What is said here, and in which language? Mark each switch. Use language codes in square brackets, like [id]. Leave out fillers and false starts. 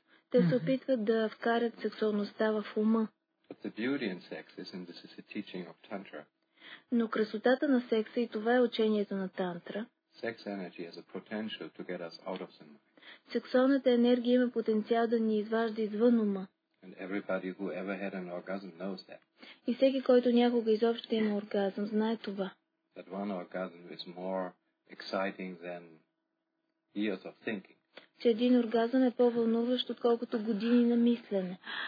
[bg] Те се опитват да вкарат сексуалността в ума. [en] But the beauty in sex is, and this is a teaching of Tantra. [bg] Но красотата на секса, и това е учението на Тантра. [en] Sex energy has a potential to get us out of the mind. [bg] Сексуалната енергия има потенциал да ни изважда извън ума. [en] And everybody who ever had an orgasm knows that. [bg] И всеки, който някога изобщо има оргазъм, знае това. [en] That one orgasm is more exciting than years of thinking. [bg] Че един оргазъм е по-вълнуващ, отколкото години на мислене.